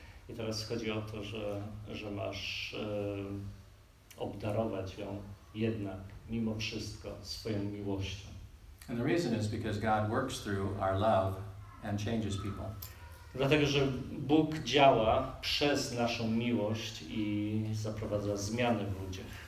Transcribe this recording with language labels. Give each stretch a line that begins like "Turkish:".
Polish: I teraz chodzi o to, że masz obdarować ją jednak, mimo wszystko, swoją miłością.
English: And the reason is because God works through our love and changes people.
Polish: Dlatego, że Bóg działa przez naszą miłość i zaprowadza zmiany w ludziach.